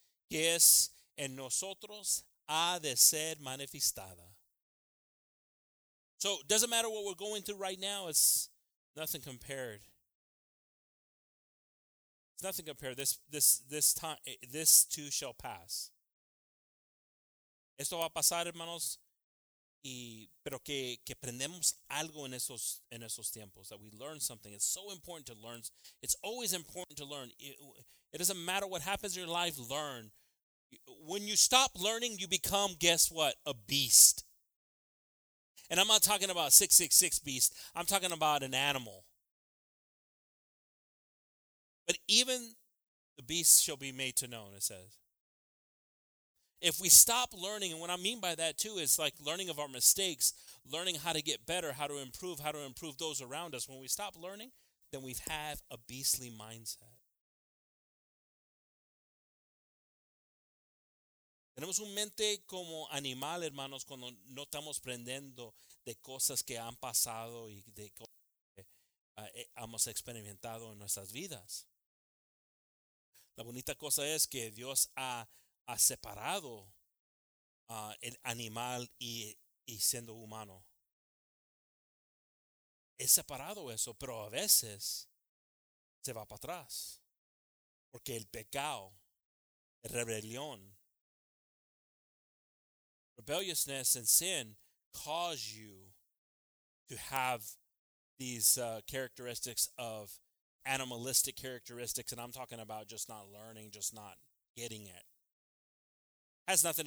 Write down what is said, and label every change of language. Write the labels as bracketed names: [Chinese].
[Spanish] Que es en nosotros ha de ser manifestada. [English] So, doesn't matter what we're going through right now, it's nothing compared. It's nothing compared. This too shall pass. [Spanish] Esto va a pasar, hermanos, pero que aprendemos algo en esos tiempos, [English] that we learn something. It's so important to learn. It's always important to learn. It doesn't matter what happens in your life, learn. When you stop learning, you become, guess what, a beast. And I'm not talking about 666 beast. I'm talking about an animal. But even the beast shall be made to know, it says. If we stop learning, and what I mean by that too is like learning of our mistakes, learning how to get better, how to improve those around us. When we stop learning, then we have a beastly mindset. [Spanish] Tenemos un mente como animal, hermanos, cuando no estamos aprendiendo de cosas que han pasado y de cosas que hemos experimentado en nuestras vidas. La bonita cosa es que Dios ha separado el animal y siendo humano. He separado eso, pero a veces se va para atrás. Porque el pecado, la rebelión, [English] rebelliousness and sin cause you to have these characteristics of animalistic characteristics, and I'm talking about just not learning, just not getting it. Has nothing.